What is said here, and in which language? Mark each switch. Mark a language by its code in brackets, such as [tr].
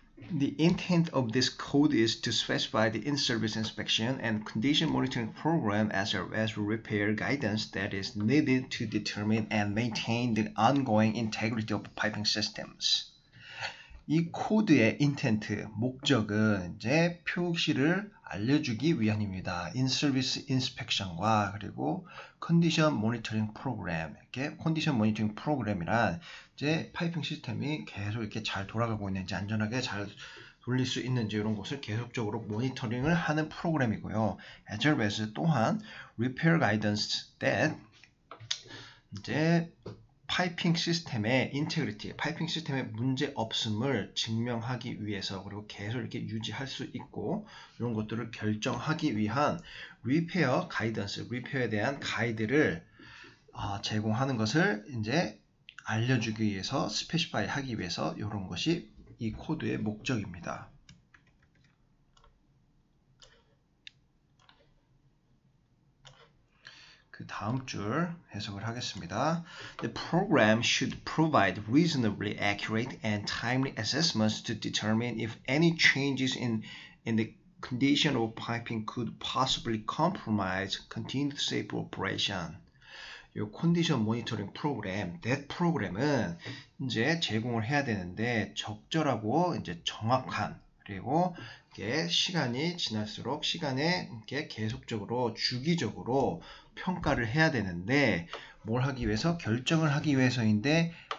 [en] The intent of this code is to specify the in-service inspection and condition monitoring program as repair guidance that is needed to determine and maintain the ongoing integrity of piping systems. [ko] 이 코드의 인텐트, 목적은 이제 표시를 알려주기 위함입니다. [en] In-service inspection과 [ko] 그리고 [en] condition monitoring program. [ko] 이렇게 condition monitoring program이란 이제 파이핑 시스템이 계속 이렇게 잘 돌아가고 있는지, 안전하게 잘 돌릴 수 있는지 이런 것을 계속적으로 모니터링을 하는 프로그램이고요. [en] As well as [ko] 또한 [en] repair guidance that [ko] 이제 파이핑 시스템의 인테그리티, 파이핑 시스템의 문제 없음을 증명하기 위해서 그리고 계속 이렇게 유지할 수 있고 이런 것들을 결정하기 위한 리페어 가이던스, 리페어에 대한 가이드를 제공하는 것을 이제 알려주기 위해서 스페시파이 하기 위해서 이런 것이 이 코드의 목적입니다. 그 다음 줄 해석을 하겠습니다. [en] The program should provide reasonably accurate and timely assessments to determine if any changes in the condition of piping could possibly compromise continued safe operation. [ko] 이 컨디션 모니터링 프로그램, that 프로그램은 이제 제공을 해야 되는데 적절하고 이제 정확한 그리고 이게 시간이 지날수록 시간에 이렇게 계속적으로 주기적으로 평가를 해야 되는데 뭘 하기 위해서 결정을 하기 위해서인데